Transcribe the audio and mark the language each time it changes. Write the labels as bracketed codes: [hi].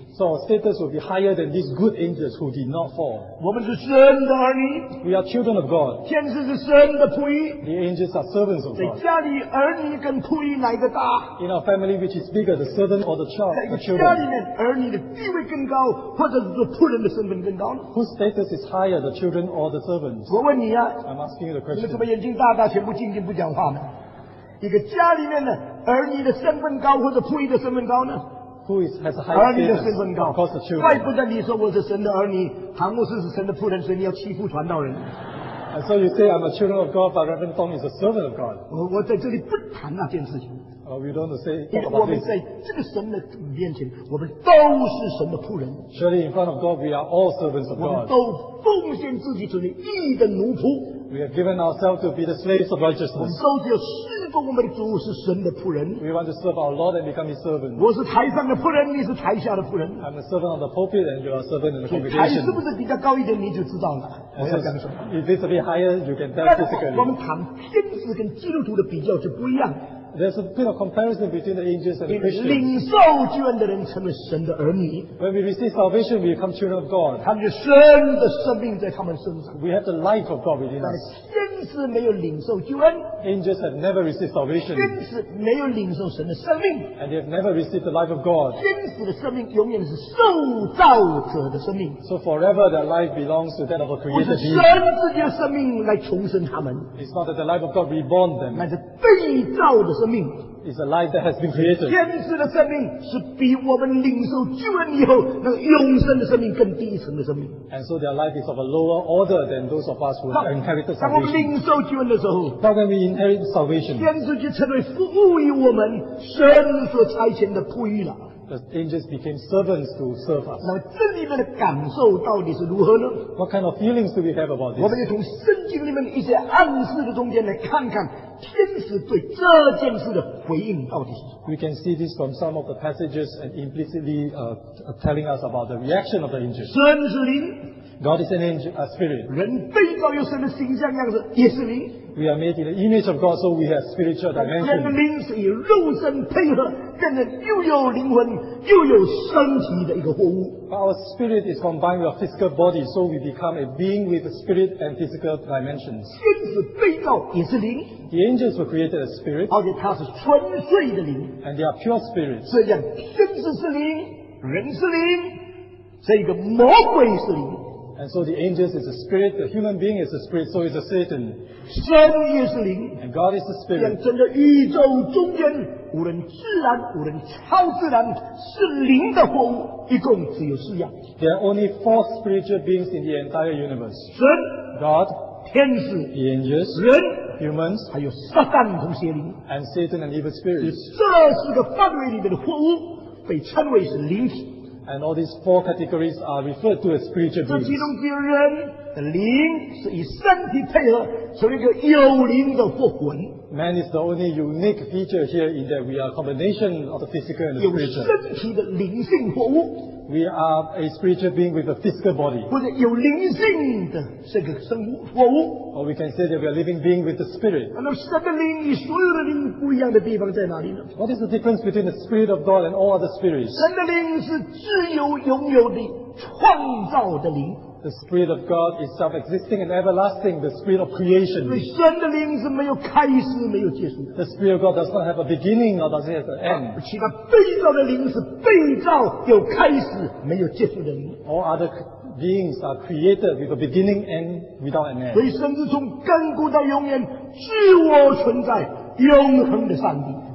[en] So our status will be higher than these good angels who did not fall. [zh] 我们是神的儿女。 [en] We are children of God. [zh] 天使是神的仆役。 [en] The angels are servants of God. [zh] 在家里儿女跟仆役哪一个大？ [en] In our family, which is bigger, the servant or the child? [zh] 在家里面儿女的地位更高，或者是仆人的身份更高？ [en] Whose status is higher, the children or the servants? [zh] 我问你啊， [en] I'm asking you the question. [zh] 你们怎么眼睛大大，全部静静不讲话呢？一个家里面的儿女的身份高，或者仆役的身份高呢？ [en] Who is, has a higher status? [zh] 儿女的身份高。 [en] Of course, the children. [zh] 怪不得你说我是神的儿女，唐牧师是神的仆人，所以你要欺负传道人。 [en] And so you say I'm a child of God, but Reverend Tong is a servant of God. [zh] 我在这里不谈那件事情。 [en] We don't say about this. [zh] 我们在这个神的面前，我们都是神的仆人。 [en] Surely in front of God, we are all servants of God. [zh] 我们都奉献自己成为义的奴仆。 [en] We have given ourselves to be the slaves of righteousness. [zh] 我们都是要侍奉我们的主，是神的仆人。 [en] We want to serve our Lord and become His servant. [zh] 我是台上的仆人，你是台下的仆人。 [en] I'm a servant on the pulpit, and you are a servant in the congregation. [zh] 台是不是比较高一点，你就知道了。我要讲什么 [en] ？If it's a bit higher, you can tell physically. [zh] 我们谈天使跟基督徒的比较就不一样。 [en] There's a bit of comparison between the angels and the Christians. [zh] 领受救恩的人成为神的儿女。 [en] When we receive salvation, we become children of God. [zh] 他们有神的生命在他们身上。 [en] We have the life of God within us. [zh] 但是天使没有领受救恩。 [en] Angels have never received salvation. [zh] 天使没有领受神的生命。 [en] And they have never received the life of God. [zh] 天使的生命永远是受造者的生命。 [en] So forever their life belongs to that of a created being. [zh] 不是神自己的生命来重生他们。 [en] It's not that the life of God reborn them. [zh] 那是被造的生命。 [en] It's a life that has been created. [zh] 天赐的生命是比我们领受救恩以后那个永生的生命更低层的生命。 [en] And so their life is of a lower order than those of us who have inherited salvation. [zh] 当我们领受救恩的时候 [en] ，But when we inherit salvation, [zh] 天赐就成为服务于我们神所差遣的仆役了。 [en] The angels became servants to serve us. [zh] 那么这里面的感受到底是如何呢 [en] ？What kind of feelings do we have about this? [zh] 我们就从圣经里面一些暗示的中间来看看天使对这件事的回应到底是什么。 [en] We can see this from some of the passages and implicitly telling us about the reaction of the angels. [zh] 神是灵。 [en] God is an angel, a spirit. [zh] 人被造有神的形象样子，也是灵。 [en] We are made in the image of God, so we have spiritual dimension. [zh] 人的灵是以肉身配合，跟人又有灵魂又有身体的一个货物。 [en] Our spirit is combined with our physical body, so we become a being with a spirit and physical dimensions. [zh] 天使被造也是灵。 [en] The angels were created as spirit. [zh] 而且他是纯粹的灵。 [en] And they are pure spirit. [zh] 这样，天使是灵，人是灵，这个魔鬼是灵。 [en] And so the angels is a spirit, the human being is a spirit, so is a Satan. [zh] 神也是灵。 [en] And God is the spirit. [zh] 让整个宇宙中间，无论自然，无论超自然，是灵的活物，一共只有四样。 [en] There are only four spiritual beings in the entire universe. [zh] 神 [en] God [zh] 天使 [en] The angels [zh] 人 [en] Humans [zh] 还有撒旦和邪灵 [en] And Satan and evil spirits. [zh] 以这四个范围里面的活物，被称为是灵体。 [en] And all these four categories are referred to as spiritual beings. [zh] 这其中的人的灵是以身体配合，成为一个有灵的复魂。 [en] Man is the only unique feature here in that we are a combination of the physical and the spiritual. [zh] 有身体的灵性活物。 [en] We are a spiritual being with a physical body. [zh] 或者有灵性的这个生物活物。 [en] Or we can say that we are living being with the spirit. [zh] 那神的灵与所有的灵不一样的地方在哪里呢 [en] ？What is the difference between the spirit of God and all other spirits? [zh] 神的灵是自由拥有的创造的灵。 [en] The spirit of God is self-existing and everlasting, the spirit of creation. [zh] 神的灵是没有开始，没有结束。 [en] The spirit of God does not have a beginning or does it have an end. [zh] 其他被造的灵是被造有开始，没有结束的灵。 [en] All other beings are created with a beginning and without an end. [zh] 所以神是从亘古到永远，自我存在，永恒的上帝。